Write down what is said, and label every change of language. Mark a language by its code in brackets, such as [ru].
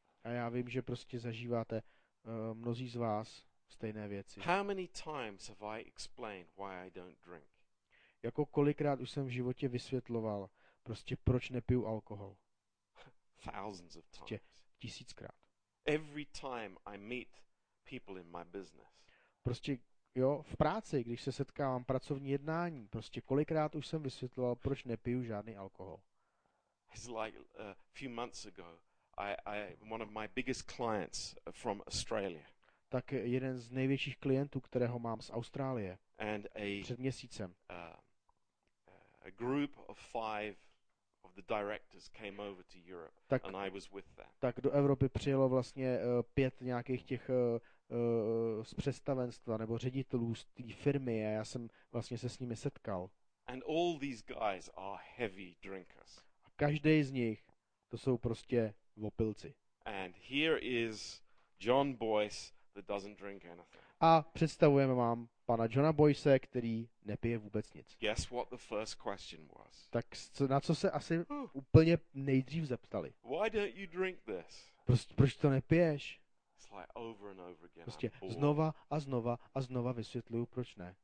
[cs] A já vím, že prostě zažíváte mnozí z vás stejné věci. [en] How many times have I explained why I don't drink? [cs] Jako kolikrát už jsem v životě vysvětloval, prostě proč nepiju alkohol? [en] Thousands of times. [cs] Tisíckrát. [en] Every time I meet people in my business. [cs] Prostě jo, v práci, když se setkávám pracovní jednání, prostě kolikrát už jsem vysvětloval, proč nepiju žádný alkohol. [en] It's like a few months ago. I one of my biggest clients from Australia. [cs] Tak jeden z největších klientů, kterého mám z Austrálie. [en] And a [cs] před měsícem. [en] A group of five of the directors came over to Europe tak, and I was with them. [cs] Tak do Evropy přijelo vlastně pět nějakých těch z představenstva nebo ředitelů z té firmy a já jsem vlastně se s nimi setkal. [en] And all these guys are heavy drinkers. [cs] A každý z nich to jsou prostě opilci. [en] And here is John Boyce that doesn't drink anything. [cs] A představujeme vám pana Johna Boyce, který nepije vůbec nic. [en] Guess what the first question was. [cs] Tak na co se asi úplně nejdřív zeptali? [en] Why don't you drink this? [cs] Proč to nepiješ? [en] It's like over and over again. [cs] Prostě znova a znova a znova vysvětluju, proč ne.